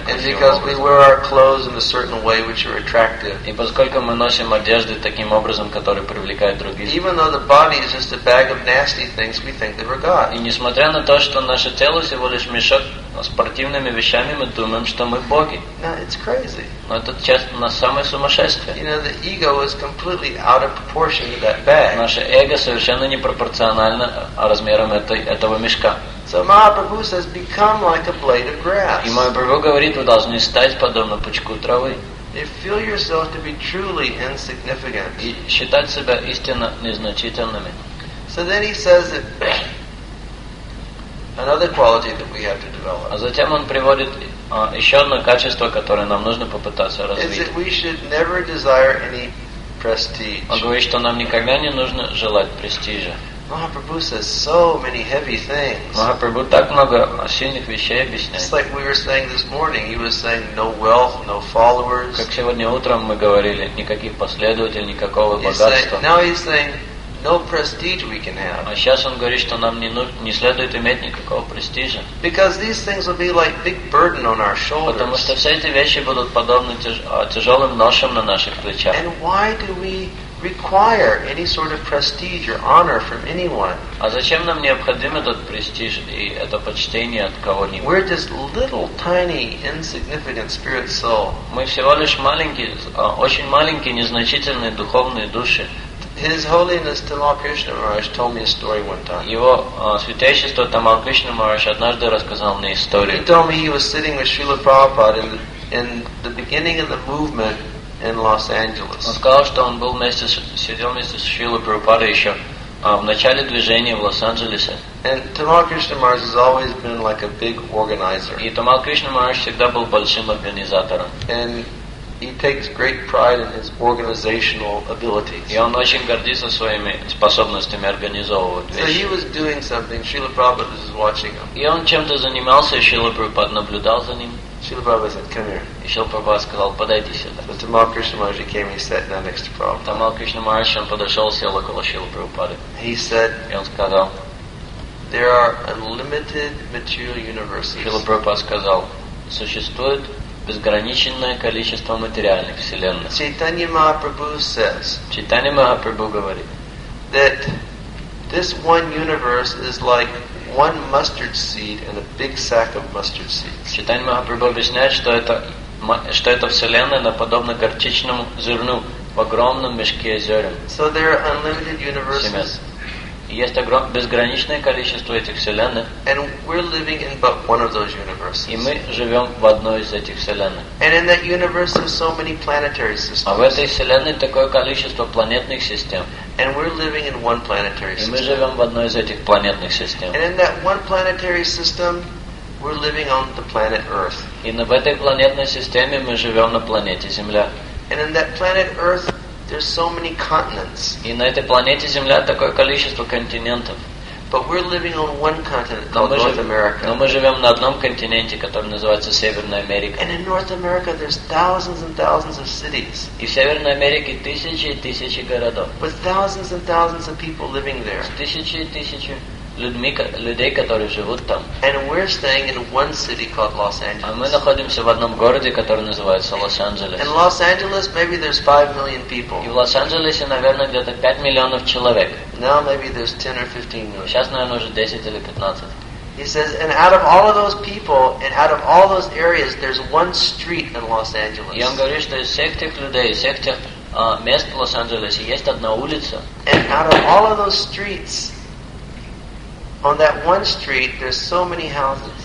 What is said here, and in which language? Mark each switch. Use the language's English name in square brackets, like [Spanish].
[English] And because we wear our clothes in a certain way which are attractive. [Russian] И поскольку мы носим одежды таким образом, которые привлекают других. [English] Even though the body is just a bag of nasty things, we think that we're God. [Russian] И несмотря на то, что наше тело всего лишь мешок спортивными вещами, мы думаем, что мы боги. [English] No, it's crazy. [Russian] Но это часто на самое сумасшествие. [English] You know, the ego is completely out of proportion to that bag. [Russian] Наше эго совершенно непропорционально размерам этого мешка. [English] So Mahaprabhu says, become like a blade of grass. [Russian] И Махапрабху говорит, вы должны стать подобно пучку травы. [English] If feel yourself to be truly insignificant. [Russian] И считать себя истинно незначительными. [English] So then he says that another quality that we have to develop. [Russian] А затем он приводит еще одно качество, которое нам нужно попытаться развить. [English] Is that we should never desire any prestige. [Russian] Он говорит, что нам никогда не нужно желать престижа. [English] Mahaprabhu says so many heavy things. [Russian] Махапрабху так много сильных вещей объясняет. [English] It's like we were saying this morning. He was saying no wealth, no followers. [Russian] Как сегодня утром мы говорили, никаких последователей, никакого богатства. [English] Now he's saying no prestige we can have. [Russian] А сейчас он говорит, что нам не следует иметь никакого престижа. [English] Because these things will be like big burden on our shoulders. [Russian] Потому что все эти вещи будут подобны тяжелым ношам на наших плечах. [English] And why do we require any sort of prestige or honor from anyone? [Russian] А зачем нам необходим этот престиж и это почтение от кого-нибудь? [English] We're just little, tiny, insignificant spirit soul. [Russian] Мы всего лишь маленькие, очень маленькие, незначительные духовные души. [English] His Holiness Tamal Krishna Maharaj told me a story one time. [Russian] Его святейшество Тамал Кришна Махарадж однажды рассказал мне историю. [English] He told me he was sitting with Srila Prabhupada in the beginning of the movement in Los Angeles. [Russian] Он сказал, что он был вместе сидел вместе с Шрилой Прабхупадой еще в начале движения в Лос-Анджелесе. [English] And Tamal Krishna Maharaj has always been like a big organizer. [Russian] И Тамал Кришна Махарадж всегда был большим организатором. [English] And he takes great pride in his organizational abilities. [Russian] И он очень гордится своими способностями организовывать вещи. [English] So he was doing something. Srila Prabhupada was watching him. [Russian] И он чем-то занимался, и Srila Prabhupada наблюдал за ним. [English] Srila Prabhupada said, "Come here." [Russian] И Srila Prabhupada сказал, "Подойди сюда." [English] So Tamal Krishna Maharaj came and sat down next to Prabhupada. [Russian] Tamal Krishna Maharaj подошел, сел около Srila Prabhupada. [English] He said, [Russian] и он сказал, [English] "There are unlimited material universes." [Russian] Srila Prabhupada сказал, существует безграниченное количество материальных вселенных. [English] Chaitanya Mahaprabhu says. [Russian] Chaitanya Mahaprabhu говорит, [English] that this one universe is like one mustard seed in a big sack of mustard seeds. [Russian] Chaitanya Mahaprabhu объясняет, что эта вселенная наподобна горчичному зерну в огромном мешке зерен. [English] So there are unlimited universes. [Russian] Семян. Есть безграничное количество этих вселенных. [English] And we're living in but one of those universes. [Russian] И мы живем в одной из этих вселенных. [English] And in that universe are so many planetary systems. [Russian] А в этой вселенной такое количество планетных систем. [English] And we're living in one planetary system. [Russian] И мы живем в одной из этих планетных систем. [English] And in that one planetary system, We're living on the planet Earth. [Russian] И на этой планетной системе мы живем на планете Земля. [English] And in that planet Earth, there's so many continents. [Russian] И на этой планете Земля такое количество континентов. [English] But we're living on one continent called North America. [Russian] Но мы живем на одном континенте, который называется Северная Америка. [English] And in North America, there's thousands and thousands of cities. [Russian] И в Северной Америке тысячи и тысячи городов. [English] With thousands and thousands of people living there. [Russian] Тысячи и тысячи людей, которые живут там. [English] And we're staying in one city called Los Angeles. [Russian] А мы находимся в одном городе, который называется Лос-Анджелес. [English] In Los Angeles, maybe there's 5 million people. [Russian] И в Лос-Анджелесе, наверное, где-то 5 миллионов человек. [English] Now maybe there's 10 or 15 million. [Russian] Сейчас, наверное, уже 10 или 15. [English] He says, and out of all of those people, and out of all those areas, there's one street in Los Angeles. [Russian] И он говорит, что из всех тех людей, из всех тех мест в Лос-Анджелесе есть одна улица. [English] And out of all of those streets. On that one street, there's so many houses.